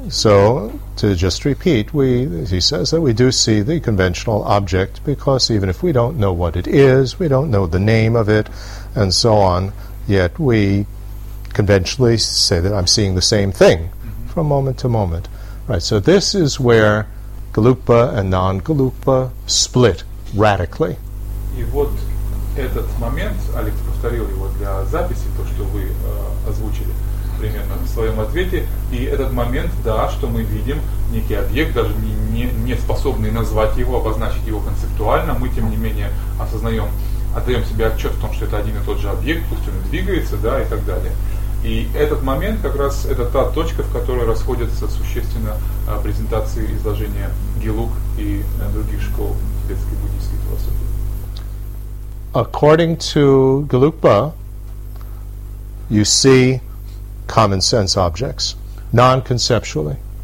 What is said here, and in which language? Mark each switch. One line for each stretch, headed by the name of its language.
English: So to just repeat, he says that we do see the conventional object because even if we don't know what it is, we don't know the name of it, and so on, yet we conventionally say that I'm seeing the same thing from moment to moment. Right. So this is where galupa and non-galupa split radically.
Russian: И вот этот момент, Алекс повторил его для записи, то, что вы озвучили примерно в своем ответе, и этот момент, да, что мы видим некий объект, даже не способный назвать его, обозначить его концептуально, мы, тем не менее, осознаем, отдаем себе отчет в том, что это один и тот же объект, пусть он двигается, да, и так далее. И этот момент как раз это та точка, в которой расходятся существенно презентации изложения гелуг и других школ тибетской буддийской философии.
English: According to Gelugpa, you see common sense objects, non-conceptually.